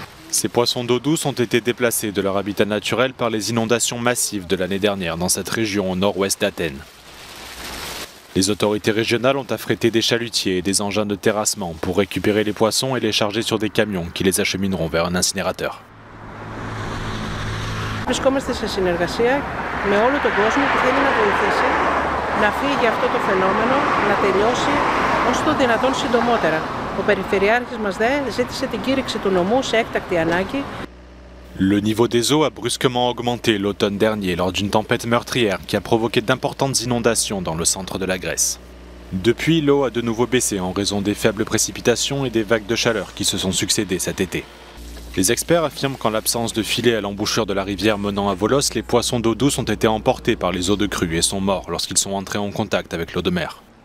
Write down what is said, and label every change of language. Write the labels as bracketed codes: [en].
[fr] Ces poissons d'eau douce ont été déplacés de leur habitat naturel par les inondations massives de l'année dernière dans cette région au nord-ouest d'Athènes. Les autorités régionales ont affrété des chalutiers et des engins de terrassement pour récupérer les poissons et les charger sur des camions qui les achemineront vers un incinérateur. [el] Βρισκόμαστε σε συνεργασία με όλο τον κόσμο που θέλει να βοηθήσει να φύγει αυτό το φαινόμενο, να τελειώσει όσο το δυνατόν συντομότερα. Ο Περιφερειάρχης μας δε ζήτησε την κήρυξη του νομού σε έκτακτη ανάγκη. [fr] Le niveau des eaux a brusquement augmenté l'automne dernier lors d'une tempête meurtrière qui a provoqué d'importantes inondations dans le centre de la Grèce. Depuis, l'eau a de nouveau baissé en raison des faibles précipitations et des vagues de chaleur qui se sont succédées cet été. Les experts affirment qu'en l'absence de filets à l'embouchure de la rivière menant à Volos, les poissons d'eau douce ont été emportés par les eaux de crue et sont morts lorsqu'ils sont entrés en contact avec l'eau de mer.